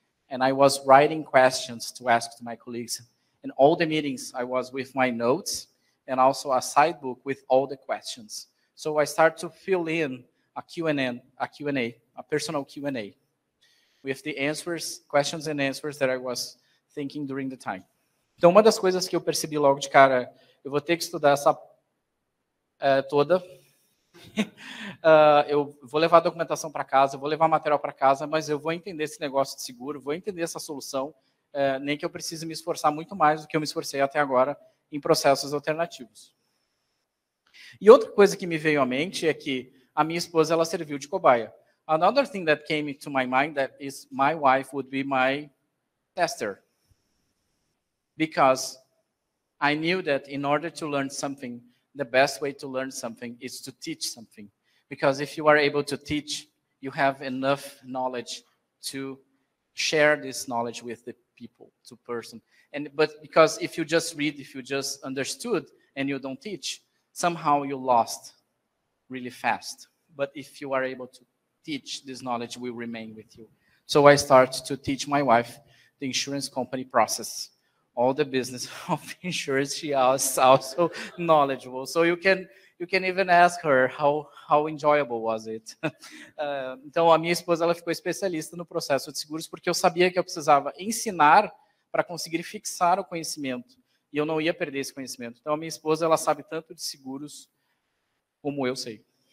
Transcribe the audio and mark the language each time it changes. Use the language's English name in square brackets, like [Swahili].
[English] And I was writing questions to ask to my colleagues. In all the meetings, I was with my notes and also a sidebook with all the questions. So I start to fill in a personal Q&A with the answers, questions and answers that I was thinking during the time. [Portuguese] Então, uma das coisas que eu percebi logo de cara, eu vou ter que estudar essa toda. Eu vou levar a documentação para casa, eu vou levar material para casa, mas eu vou entender esse negócio de seguro, vou entender essa solução, nem que eu precise me esforçar muito mais do que eu me esforcei até agora em processos alternativos. E outra coisa que me veio à mente é que a minha esposa, ela serviu de cobaia. [English] Another thing that came to my mind that is my wife would be my tester. Because I knew that in order to learn something, the best way to learn something is to teach something. Because if you are able to teach, you have enough knowledge to share this knowledge with the people, to person. And but because if you just read, if you just understood and you don't teach, somehow you lost really fast. But if you are able to teach, this knowledge will remain with you. So I start to teach my wife the insurance company process, all the business of insurance. She is also knowledgeable. So you can even ask her how enjoyable was it. [Portuguese] Então, a minha esposa, ela ficou especialista no processo de seguros, porque eu sabia que eu precisava ensinar para conseguir fixar o conhecimento. E eu não ia perder esse conhecimento. Então, a minha esposa, ela sabe tanto de seguros como eu sei.